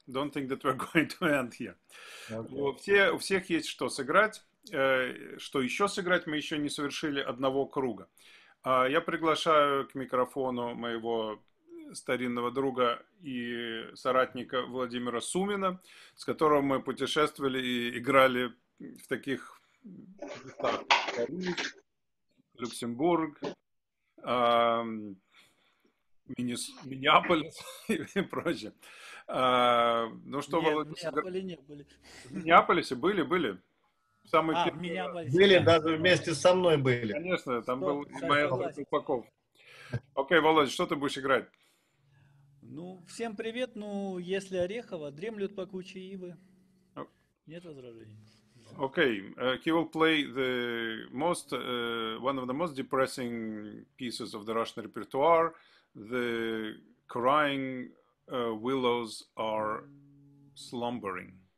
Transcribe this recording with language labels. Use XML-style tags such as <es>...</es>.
<en>Don't think that we're going to end here.</en> <ru>Okay. У всех есть что сыграть. Что еще сыграть? Мы еще не совершили одного круга. Я приглашаю к микрофону моего старинного друга и соратника Владимира Сумина, с которым мы путешествовали и играли в таких местах: Люксембург, Миннеаполис и прочее. Ну что, Владимир? В Миннеаполисе были. Были, даже вместе со мной были. Конечно, там был Мårten Falk. Окей, Володя, что ты будешь играть? Ну, всем привет. Ну, если Орехова, дремлют пакучие ивы. Нет возражений.</ru> <en>Okay, he will play the most one of the most depressing pieces of the Russian repertoire, the crying willows are slumbering.</en>